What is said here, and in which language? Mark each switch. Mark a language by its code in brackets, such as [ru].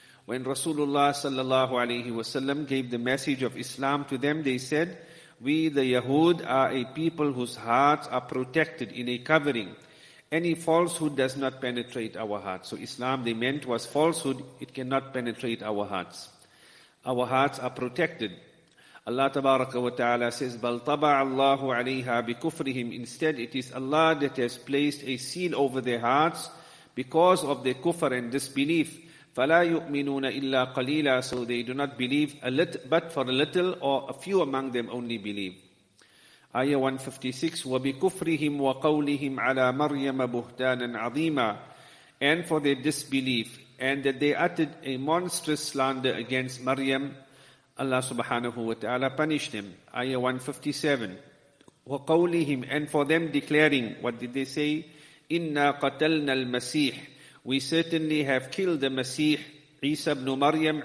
[en] When Rasulullah sallallahu alayhi wasallam gave the message of Islam to them, they said, we the Yahud are a people whose hearts are protected in a covering. Any falsehood does not penetrate our hearts. So Islam, they meant, was falsehood. It cannot penetrate our hearts. Our hearts are protected. Allah tabaraka wa ta'ala says, [ar] بَلْ طَبَعَ اللَّهُ عَلَيْهَا بِكُفْرِهِمْ. [en] Instead, it is Allah that has placed a seal over their hearts because of their kufr and disbelief. [ar] فَلَا يُؤْمِنُونَ إِلَّا قَلِيلًا. [en] So they do not believe a little, but for a little, or a few among them only believe. Ayah 156, [ar] وَبِكُفْرِهِمْ وَقَوْلِهِمْ عَلَى مَرْيَمَ بُهْتَانًا عَظِيمًا. [en] And for their disbelief, and that they uttered a monstrous slander against Maryam, Allah subhanahu wa ta'ala punished them. Ayah 157. [ar] وَقَوْلِهِمْ. [en] And for them declaring, what did they say? [ar] إِنَّا قَتَلْنَا الْمَسِيحِ. [en] We certainly have killed the Masih, Isa ibn Maryam.